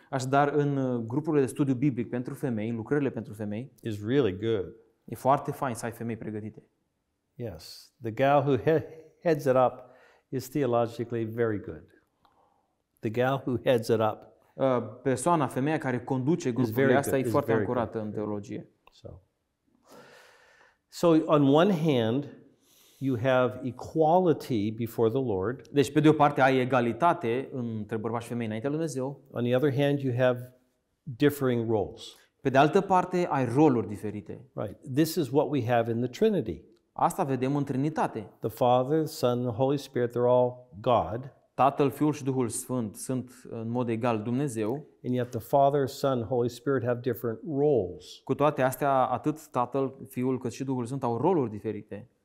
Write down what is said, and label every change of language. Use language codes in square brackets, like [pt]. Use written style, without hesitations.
[ro] așadar în grupurile de studiu biblic pentru femei, în lucrările pentru femei, [en] is really good. [ro] E foarte fain să ai femei pregătite. [en] Yes, the gal who heads it up is theologically very good. The gal who heads it up, [ro] persoana, femeia care conduce grupul ăsta e foarte ancorată în teologie. [en] So on one hand, you have equality before the Lord. [ro] Deci pe de o parte ai egalitate între bărbați și femei înaintea lui Dumnezeu. [en] On the other hand, you have differing roles. [ro] Pe de altă parte ai roluri diferite. [en] Right. This is what we have in the Trinity. [ro] Asta vedem în Trinitate. [en] The Father, the Son, the Holy Spirit, they're all God. [ro] Tatăl, Fiul și Duhul Sfânt sunt în mod egal Dumnezeu. [en] And yet the Father, Son, Holy Spirit have different roles. [ro] Cu toate astea, atât Tatăl, Fiul, cât și Duhul Sfânt au roluri diferite.